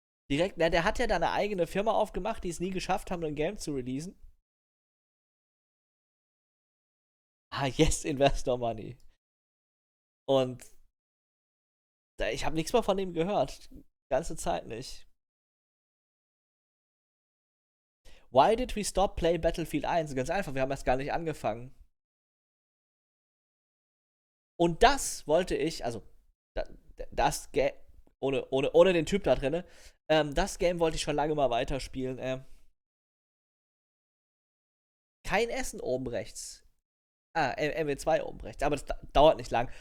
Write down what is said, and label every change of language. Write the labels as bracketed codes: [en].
[de] Direkt, na, der hat ja da eine eigene Firma aufgemacht, die es nie geschafft haben, ein Game zu releasen. [en] Ah, yes, Investor Money. [de] Und da, ich habe nichts mehr von dem gehört. Die ganze Zeit nicht. [en] Why did we stop playing Battlefield 1? [de] Ganz einfach, wir haben erst gar nicht angefangen. Und das wollte ich, also das Game, ohne den Typ da drinne, das Game wollte ich schon lange mal weiterspielen. Kein Essen oben rechts. Ah, MW2 oben rechts, aber das dauert nicht lang.